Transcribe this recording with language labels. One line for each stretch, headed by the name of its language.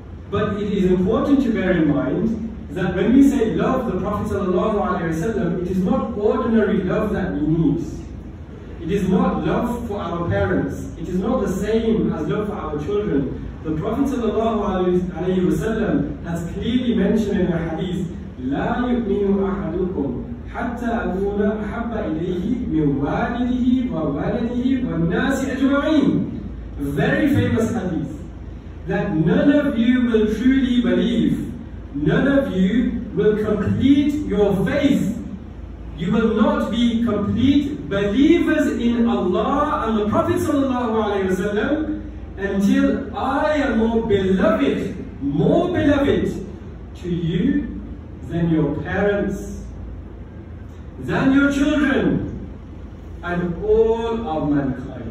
English: But it is important to bear in mind that when we say love the Prophet ﷺ, it is not ordinary love that we need. It is not love for our parents. It is not the same as love for our children. The Prophet ﷺ has clearly mentioned in the hadith,
Arabic: لَا يُؤْمِنُ أَحَدُكُمْ حَتَّى أَكُونَ أَحَبَّ إِلَيْهِ مِنْ وَالِدِهِ وَوَالَدِهِ وَالنَّاسِ أَجْمَعِينَ.
English: Very famous hadith. That none of you will truly believe. None of you will complete your faith. You will not be complete believers in Allah and the Prophet ﷺ until I am more beloved to you than your parents, than your children, and all of mankind.